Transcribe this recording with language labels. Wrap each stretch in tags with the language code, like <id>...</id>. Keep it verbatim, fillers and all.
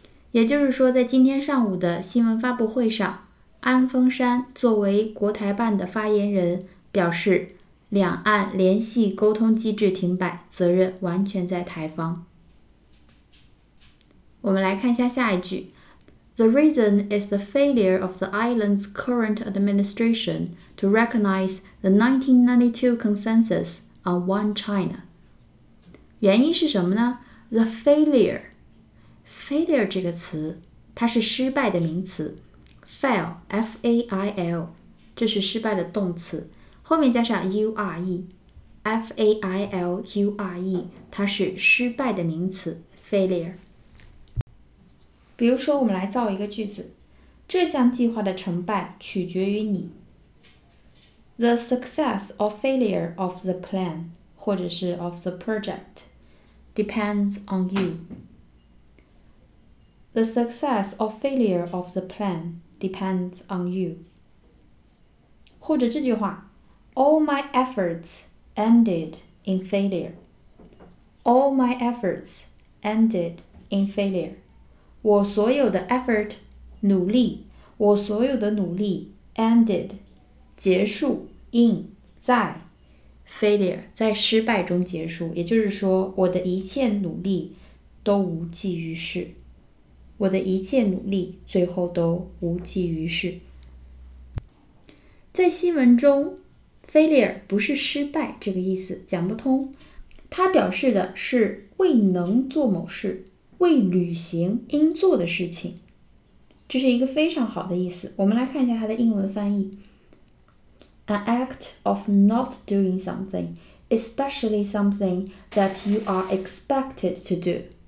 <zh>也就是说在今天上午的新闻发布会上，安峰山作为国台办的发言人表示，两岸联系沟通机制停摆责任完全在台方。我们来看一下下一句。</zh> <en>The reason is the failure of the island's current administration to recognize the nineteen ninety-two consensus on one China.</en> <zh>原因是什么呢 ？</zh> <en>The failure.</en> <zh>Failure 这个词，它是失败的名词。 Fail, F A I L, 这是失败的动词，后面加上 U R E。 F A I L U R E, 它是失败的名词 failure。比如说，我们来造一个句子，这项计划的成败取决于你。</zh> <en>The success or failure of the plan,</en> <zh>或者是</zh> <en>of the project, depends on you. The success or failure of the plan depends on you.</en> <zh>或者这句话</zh> <en>All my efforts ended in failure. All my efforts ended in failure.</en> <zh>我所有的 effort 努力，我所有的努力 ended 结束 in 在 failure 在失败中结束，也就是说，我的一切努力都无济于事，我的一切努力最后都无济于事。在新闻中，failure 不是失败这个意思，讲不通。它表示的是未能做某事，未履行应做的事情。这是一个非常好的意思。我们来看一下它的英文翻译。</zh> <en>An act of not doing something, especially something that you are expected to do.</en>